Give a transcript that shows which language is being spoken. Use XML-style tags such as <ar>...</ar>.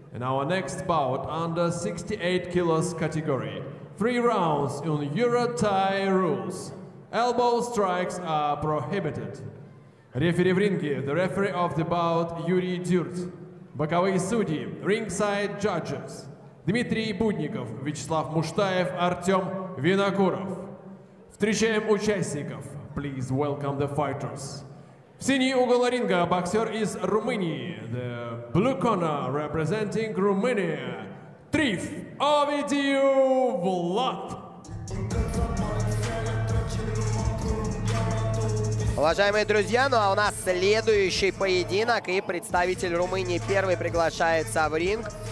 <en>In our next bout, under 68 kilos category, three rounds in Euro Thai rules. Elbow strikes are prohibited. Referee</en> <ru>в ринге,</ru> <en>the referee of the bout, Юрий Дюрт.</en> <ru>Боковые судьи,</ru> <en>ringside judges,</en> <ru>Дмитрий Будников, Вячеслав Муштаев, Артем Винокуров. Встречаем участников.</ru> <en>Please welcome the fighters.</en> <ru>В синий угол ринга боксер из Румынии,</ru> <en>the blue corner representing Romania,</en> <ru>Триф Овидию Влад. Уважаемые друзья, ну а у нас следующий поединок, и представитель Румынии первый приглашается в ринг.</ru>